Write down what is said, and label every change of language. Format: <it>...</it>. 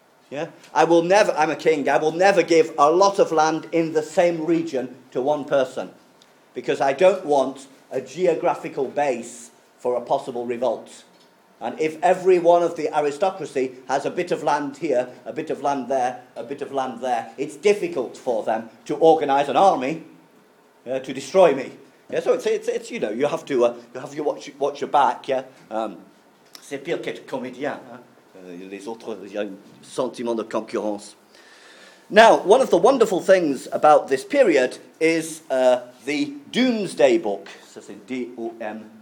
<en>Yeah, I'm a king, I will never give a lot of land in the same region to one person, because I don't want a geographical base for a possible revolt. And if every one of the aristocracy has a bit of land here, a bit of land there, a bit of land there, it's difficult for them to organise an army to destroy me. Yeah, so it's you know, you have to watch your back.</en> <fr>Yeah, c'est pire qu'être comédien. Les autres, il y a un sentiment de concurrence.</fr> <en>Now, one of the wonderful things about this period is the Doomsday Book.</en> <fr>Ça c'est D-O-M-E-S-D-A-Y.</fr>